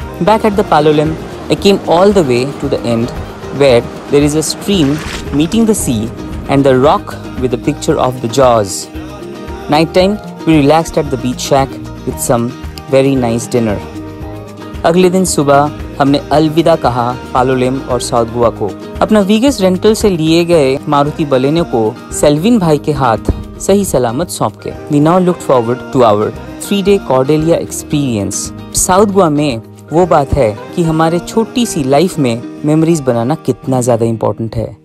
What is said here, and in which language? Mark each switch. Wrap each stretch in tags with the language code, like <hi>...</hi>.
<en>Back at the Palolem, I came all the way to the end, where there is a stream meeting the sea and the rock with a picture of the jaws. Nighttime, we relaxed at the beach shack with some very nice dinner.</en> <hi>अगले दिन सुबह हमने अलविदा कहा पालोलेम और south Goa को. अपना वीगस rental से लिए गए मारुति बलेनो को सेल्विन भाई के हाथ सही सलामत सौंप के.</hi> <en>We now looked forward to our 3-day Cordelia experience.</en> <hi>South Goa में वो बात है कि हमारे छोटी सी लाइफ में मेमोरीज बनाना कितना ज़्यादा इम्पोर्टेंट है.</hi>